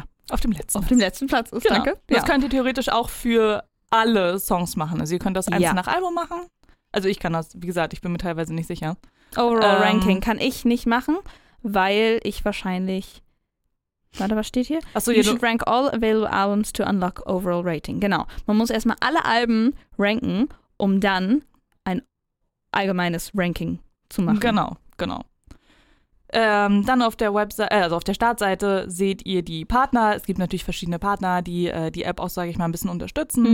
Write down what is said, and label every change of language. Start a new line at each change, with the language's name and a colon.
German: auf dem letzten Platz ist, genau. Danke. Ja. Das könnt ihr theoretisch auch für alle Songs machen. Also ihr könnt das einzeln nach Album machen. Also ich kann das, wie gesagt, ich bin mir teilweise nicht sicher. Overall Ranking kann ich nicht machen, weil ich wahrscheinlich, warte, was steht hier? Achso,
English: you should rank all available albums to unlock overall rating.
German: Genau. Man muss erstmal alle Alben ranken, um dann ein allgemeines Ranking zu machen. Genau, genau. Dann auf der Webseite, also auf der Startseite, seht ihr die Partner. Es gibt natürlich verschiedene Partner, die die App auch, sage ich mal, ein bisschen unterstützen.